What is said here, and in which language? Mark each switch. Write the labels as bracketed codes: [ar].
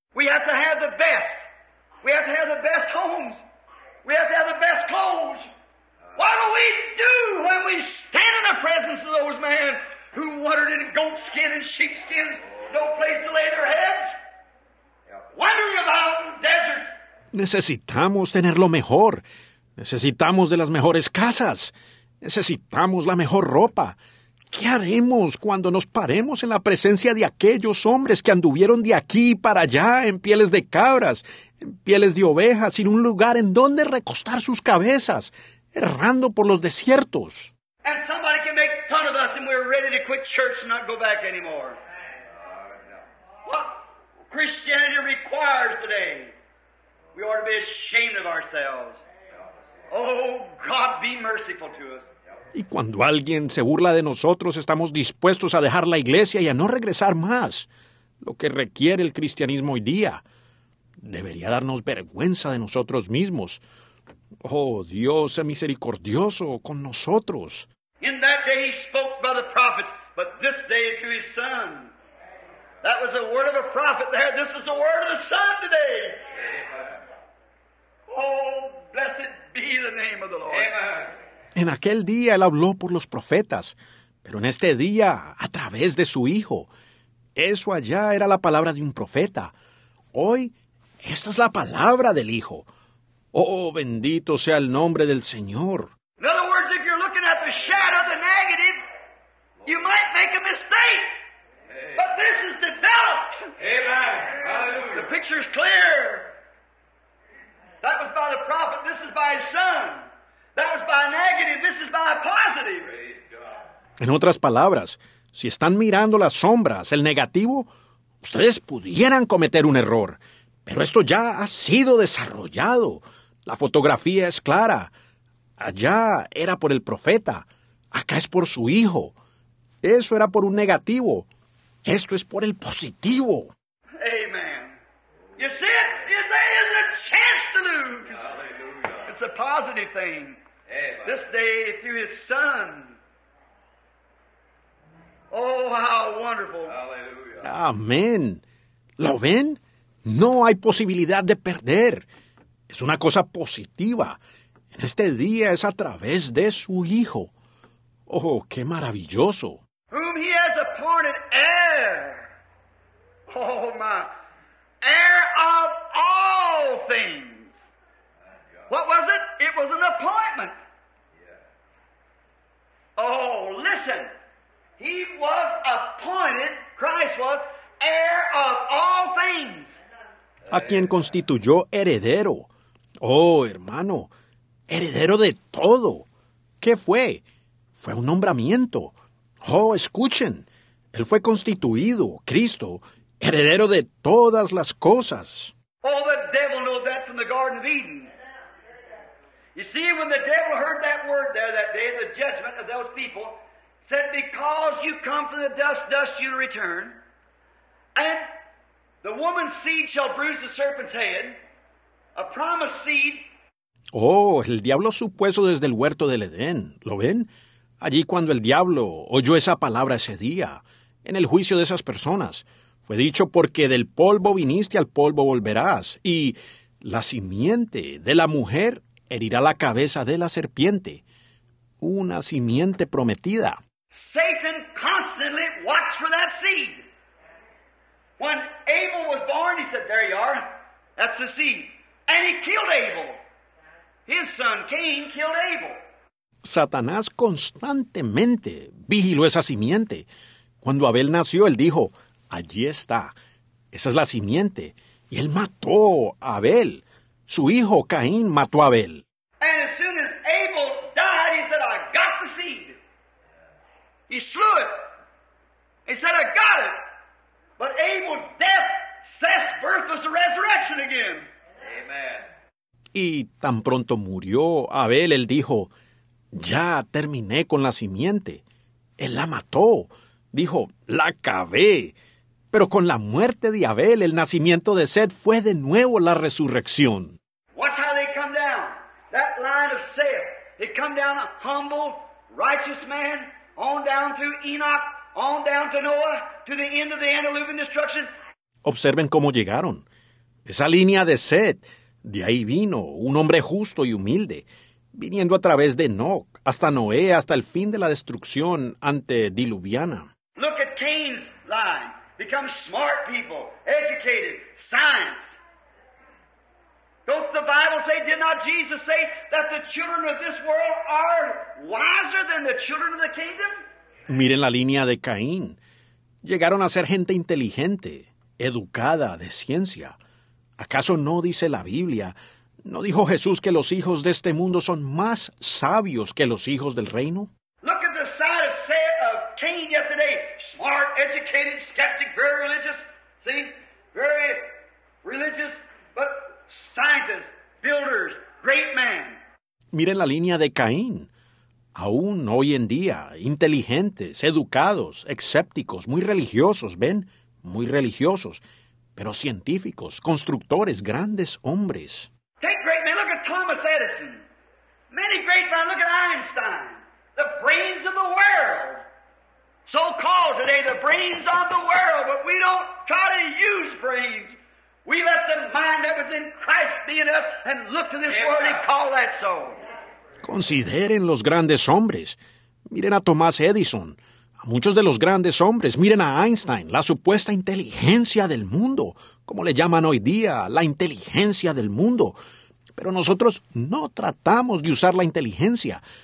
[en] We have to have the best. We have to have the best homes. We have to have the best clothes. What do we do when we stand in the presence of those men who wandered in goatskin and sheepskins, no place to lay their heads, wandering about in deserts? [es] Necesitamos tener lo mejor. Necesitamos de las mejores casas. Necesitamos la mejor ropa. ¿Qué haremos cuando nos paremos en la presencia de aquellos hombres que anduvieron de aquí para allá en pieles de cabras, en pieles de ovejas, sin un lugar en donde recostar sus cabezas, errando por los desiertos? [en] And somebody can make fun of us and we're ready to quit church and not go back anymore. What Christianity requires today, we ought to be ashamed of ourselves. Oh, God, be merciful to us. [es] Y cuando alguien se burla de nosotros, estamos dispuestos a dejar la iglesia y a no regresar más. Lo que requiere el cristianismo hoy día debería darnos vergüenza de nosotros mismos. Oh, Dios, sé misericordioso con nosotros. [en] In that day he spoke by the prophets, but this day to his son. That was the word of a prophet there. This is the word of the son today. Oh, blessed be the name of the Lord. Amen. [es] En aquel día él habló por los profetas, pero en este día a través de su Hijo. Eso allá era la palabra de un profeta. Hoy, esta es la palabra del Hijo. Oh, bendito sea el nombre del Señor. [en] In other words, if you're looking at the shadow, the negative, you might make a mistake. Hey. But this is developed. Amen. Hallelujah. The picture's clear. That was by the prophet, this is by his son. That was by negative, this is by positive. [es] En otras palabras, si están mirando las sombras, el negativo, ustedes pudieran cometer un error. Pero esto ya ha sido desarrollado. La fotografía es clara. Allá era por el profeta. Acá es por su Hijo. Eso era por un negativo. Esto es por el positivo. [en] Amen. You see it? There is a chance to lose. It's a positive thing. This day through his son. Oh, how wonderful. Hallelujah. [es] Amén. ¿Lo ven? No hay posibilidad de perder. Es una cosa positiva. En este día es a través de su Hijo. Oh, qué maravilloso. [en] Whom he has appointed heir. Oh, my. Heir of all things. What was it? It was an appointment. Oh, listen. He was appointed, Christ was, heir of all things. [es] A quien constituyó heredero. Oh, hermano, heredero de todo. ¿Qué fue? Fue un nombramiento. Oh, escuchen. Él fue constituido, Cristo, heredero de todas las cosas. [en] Oh, the devil knows that from the Garden of Eden. You see, when the devil heard that word there that day, the judgment of those people, said, because you come from the dust, dust you'll return, and the woman's seed shall bruise the serpent's head, a promised seed. [es] Oh, el diablo supuso desde el huerto del Edén, ¿lo ven? Allí cuando el diablo oyó esa palabra ese día, en el juicio de esas personas, fue dicho, porque del polvo viniste, al polvo volverás, y la simiente de la mujer herirá la cabeza de la serpiente, una simiente prometida. [en] Satan constantly watched for that seed. When Abel was born, he said, there you are, that's the seed. And he killed Abel. His son Cain killed Abel. [es] Satanás constantemente vigiló esa simiente. Cuando Abel nació, él dijo, allí está, esa es la simiente. Y él mató a Abel. Su hijo Caín mató a Abel. [en] And as soon as Abel died, he said, I got the seed. He slew it. He said, I got it. But Abel's death, Seth's birth was the resurrection again. Amen. [es] Y tan pronto murió Abel, él dijo, ya terminé con la simiente. Él la mató. Dijo, la acabé. Pero con la muerte de Abel, el nacimiento de Seth fue de nuevo la resurrección. [en] Watch how they come down. That line of Seth. They come down a humble, righteous man, on down to Enoch, on down to Noah, to the end of the antediluvian destruction. [es] Observen cómo llegaron. Esa línea de Seth, de ahí vino un hombre justo y humilde, viniendo a través de Enoch, hasta Noé, hasta el fin de la destrucción antediluviana. [en] Look at Cain's line. Become smart people, educated, science. Don't the Bible say, did not Jesus say that the children of this world are wiser than the children of the kingdom? [es] Miren la línea de Caín. Llegaron a ser gente inteligente, educada, de ciencia. ¿Acaso no dice la Biblia? ¿No dijo Jesús que los hijos de este mundo son más sabios que los hijos del reino? [en] Look at the side of Seth of Cain yesterday. Smart, educated, skeptic, very religious. See? Very religious, but scientists, builders, great man. [es] Miren la línea de Caín. Aún hoy en día, inteligentes, educados, escépticos, muy religiosos, ¿ven? Muy religiosos, pero científicos, constructores, grandes hombres. [en] Take great men, look at Thomas Edison. Many great men, look at Einstein. The brains of the world. So called today, the brains of the world, but we don't try to use brains. We let the mind that was in Christ be in us and look to this world and call that so. [es] Consideren los grandes hombres. Miren a Thomas Edison. A muchos de los grandes hombres. Miren a Einstein, la supuesta inteligencia del mundo. Como le llaman hoy día, la inteligencia del mundo. Pero nosotros no tratamos de usar la inteligencia.